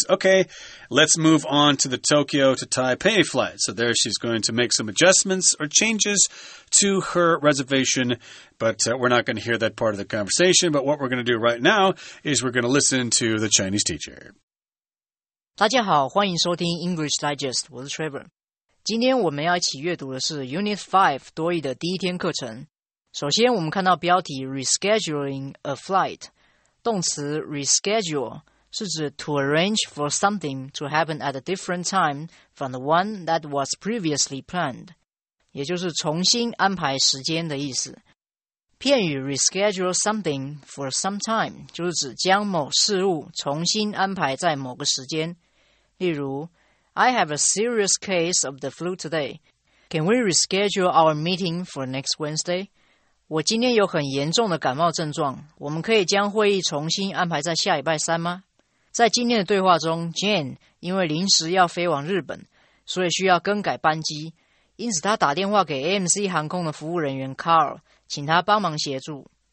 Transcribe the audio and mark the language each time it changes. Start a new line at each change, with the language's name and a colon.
English: Okay, let's move on to the Tokyo to Taipei flight. So there she's going to make some adjustments or changes to her reservation. But we're not going to hear that part of the conversation. But what we're going to do right now is we're going to listen to the Chinese teacher.
Chinese: 大家好，欢迎收听 English Digest. 我是 Trevor。今天我们要一起阅读的是 Unit 5多益的第一天课程。首先我们看到标题
English: Rescheduling a flight，
Chinese: 动词 reschedule 是指
English: to arrange for something to happen at a different time from the one that was previously planned，
Chinese: 也就是重新安排时间的意思。片语
English: reschedule something for some time
Chinese: 就是指将某事物重新安排在某个时间，例如
English: I have a serious case of the flu today. Can we reschedule our meeting for next Wednesday?
Chinese: 我今天有很严重的感冒症状，我们可以将会议重新安排在下礼拜三吗？在今天的对话中 ，Jane 因为临时要飞往日本，所以需要更改班机，因此她打电话给 AMC 航空的服务人员 Carl， 请他帮忙协助。